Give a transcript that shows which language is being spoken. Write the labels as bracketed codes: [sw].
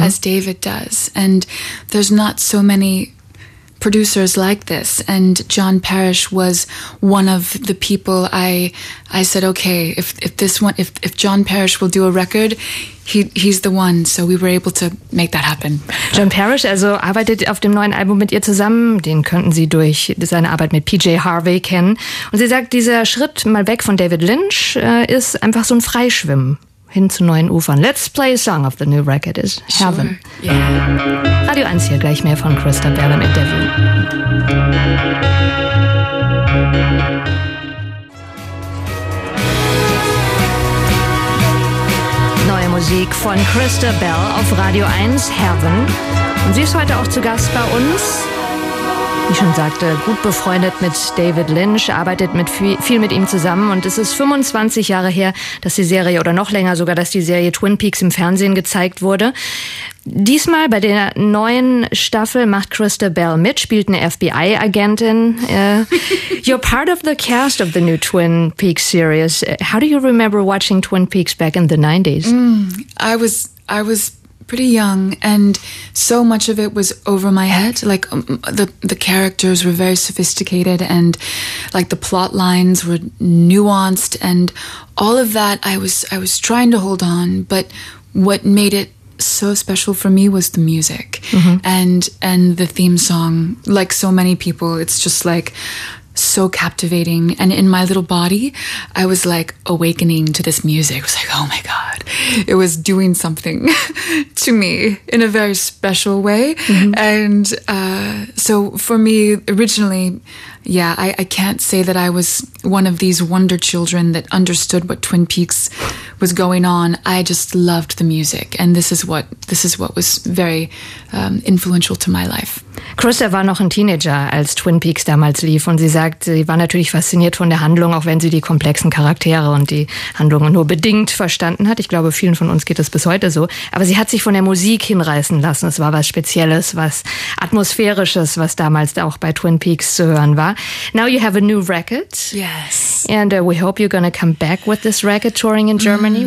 [en] as David does. And there's not so many producers like this, and John Parrish was one of the people I said, okay, if John Parrish will do a record, he's the one. So we were able to make that happen. [de] John Parrish also arbeitet auf dem neuen Album mit ihr zusammen. Den könnten Sie durch seine Arbeit mit PJ Harvey kennen. Und sie sagt, dieser Schritt mal weg von David Lynch ist einfach so ein Freischwimmen hin zu neuen Ufern. [en] Let's play a song of the new record is Heaven. Sure. Yeah. [de] Radio 1 hier, gleich mehr von Krista Bell im Interview. Neue Musik von Krista Bell auf Radio 1, Heaven. Und sie ist heute auch zu Gast bei uns. Wie ich schon sagte, gut befreundet mit David Lynch, arbeitet mit viel mit ihm zusammen. Und es ist 25 Jahre her, dass die Serie, oder noch länger sogar, dass die Serie Twin Peaks im Fernsehen gezeigt wurde. Diesmal bei der neuen Staffel macht Krista Bell mit, spielt eine FBI-Agentin. [en] You're part of the cast of the new Twin Peaks series. How do you remember watching Twin Peaks back in the 90s? I was pretty young, and so much of it was over my head. Like the characters were very sophisticated, and like the plot lines were nuanced, and all of that I was trying to hold on. But what made it so special for me was the music, mm-hmm. and the theme song. Like so many people, it's just like so captivating, and in my little body I was like awakening to this music. I was like, oh my god, it was doing something to me in a very special way, mm-hmm. and so for me originally, yeah, I can't say that I was one of these wonder children that understood what Twin Peaks was going on. I just loved the music, and this is what was very influential to my life. [de] Krista war noch ein Teenager, als Twin Peaks damals lief, und sie sagt, sie war natürlich fasziniert von der Handlung, auch wenn sie die komplexen Charaktere und die Handlung nur bedingt verstanden hat. Ich glaube, vielen von uns geht das bis heute so. Aber sie hat sich von der Musik hinreißen lassen. Es war was Spezielles, was Atmosphärisches, was damals auch bei Twin Peaks zu hören war. [en] Now you have a new record. Yes. And we hope you're gonna come back with this record touring in Germany.